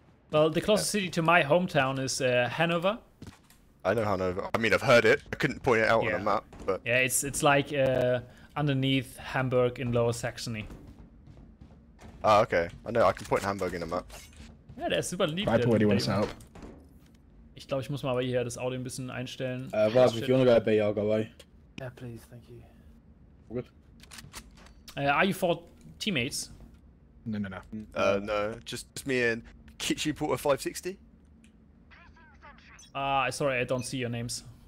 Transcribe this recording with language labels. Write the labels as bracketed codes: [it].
[en] Well, the closest city to my hometown is Hanover. I know Hanover. I mean, I've heard it. I couldn't point it out on a map, but... Yeah, it's like underneath Hamburg in Lower Saxony. Ah, okay. I know, I can point Hamburg in a map. Yeah, that's [de] super lieb. [en] Right, where do you want to help? [de] Ich glaube, ich muss mal aber hier das Audio ein bisschen einstellen. [en] Was, if you want to go to BR, go away. Yeah, please, thank you. Good. Are you four teammates? No. No, just me and Kitchen Porter 560. Sorry, I don't see your names.